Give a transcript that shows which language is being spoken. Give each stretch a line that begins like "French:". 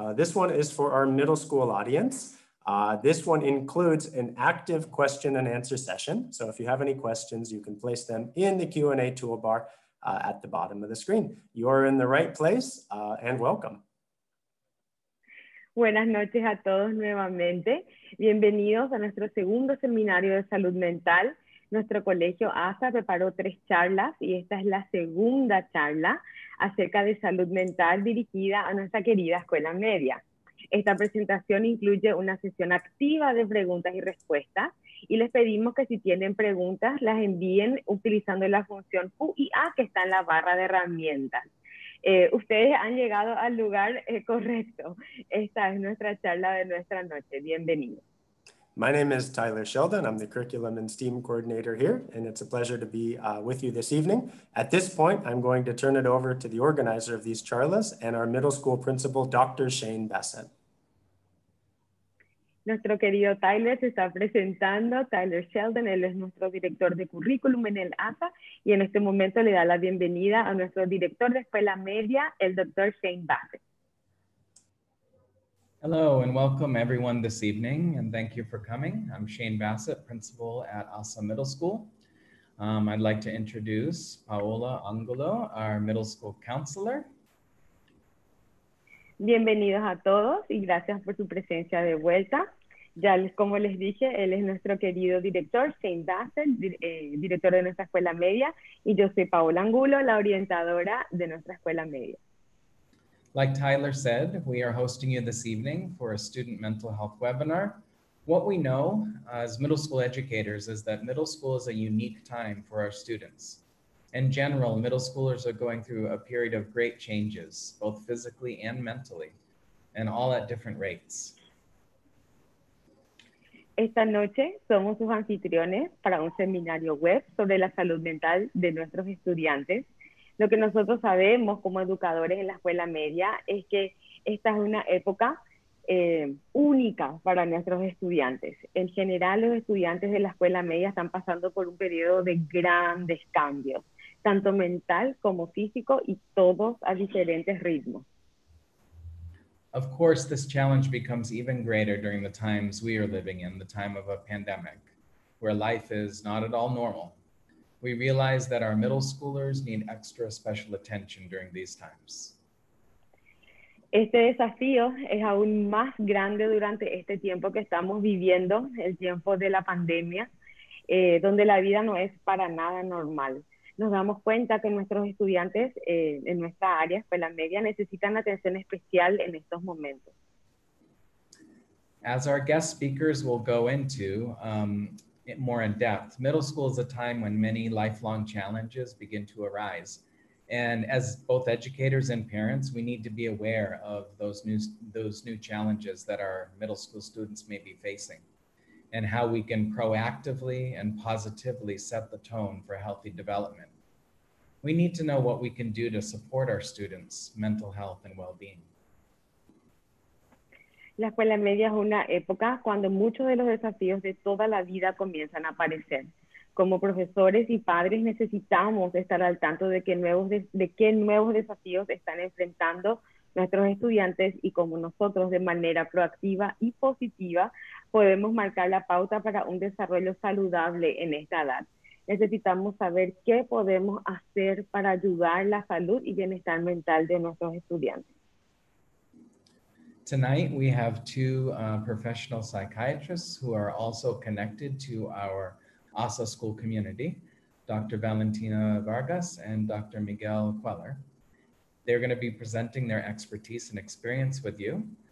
English: This one is for our middle school audience. This one includes an active question and answer session. So if you have any questions, you can place them in the Q&A toolbar at the bottom of the screen. You are in the right place and welcome.
Spanish: Buenas noches a todos nuevamente. Bienvenidos a nuestro segundo seminario de salud mental. Nuestro colegio ASA preparó tres charlas y esta es la segunda charla acerca de salud mental dirigida a nuestra querida escuela media. Esta presentación incluye una sesión activa de preguntas y respuestas y les pedimos que si tienen preguntas las envíen utilizando la función QIA que está en la barra de herramientas. Ustedes han llegado al lugar correcto. Esta es nuestra charla de nuestra noche. Bienvenidos.
English: My name is Tyler Sheldon. I'm the curriculum and STEAM coordinator here, and it's a pleasure to be with you this evening. At this point, I'm going to turn it over to the organizer of these charlas and our middle school principal, Dr. Shane Bassett.
Spanish: Nuestro querido Tyler se está presentando. Tyler Sheldon, él es nuestro director de currículum en el ASA, y en este momento le da la bienvenida a nuestro director de escuela media, el Dr. Shane Bassett.
English: Hello and welcome everyone this evening, and thank you for coming. I'm Shane Bassett, principal at ASA Middle School. I'd like to introduce Paola Angulo, our middle school counselor.
Spanish: Bienvenidos a todos y gracias por su presencia de vuelta. Ya como les dije, él es nuestro querido director, Shane Bassett, director de nuestra escuela media, y yo soy Paola Angulo, la orientadora de nuestra escuela media.
English: Like Tyler said, we are hosting you this evening for a student mental health webinar. What we know as middle school educators is that middle school is a unique time for our students. In general, middle schoolers are going through a period of great changes, both physically and mentally, and all at different rates.
Spanish: Esta noche somos sus anfitriones para un seminario web sobre la salud mental de nuestros estudiantes. Lo que nosotros sabemos como educadores en la escuela media es que esta es una época única para nuestros estudiantes. En general, los estudiantes de la escuela media están pasando por un periodo de grandes cambios, tanto mental como físico, y todos a diferentes ritmos.
English: Of course, this challenge becomes even greater during the times we are living in, the time of a pandemic, where life is not at all normal. We realize that our middle schoolers need extra special attention during these times.
Spanish: Este desafío es aún más grande durante este tiempo que estamos viviendo, el tiempo de la pandemia, donde la vida no es para nada normal. Nos damos cuenta que nuestros estudiantes en nuestra área, escuela media, necesitan atención especial en estos momentos.
English: As our guest speakers will go into, more in depth, middle school is a time when many lifelong challenges begin to arise. And as both educators and parents, we need to be aware of those new challenges that our middle school students may be facing, and how we can proactively and positively set the tone for healthy development. We need to know what we can do to support our students' mental health and well-being.
Spanish: La escuela media es una época cuando muchos de los desafíos de toda la vida comienzan a aparecer. Como profesores y padres necesitamos estar al tanto de qué nuevos desafíos están enfrentando nuestros estudiantes y cómo nosotros de manera proactiva y positiva podemos marcar la pauta para un desarrollo saludable en esta edad. Necesitamos saber qué podemos hacer para ayudar la salud y bienestar mental de nuestros estudiantes.
English: Tonight, we have two professional psychiatrists who are also connected to our ASA school community, Dr. Valentina Vargas and Dr. Miguel Queller. They're going to be presenting their expertise and experience with you.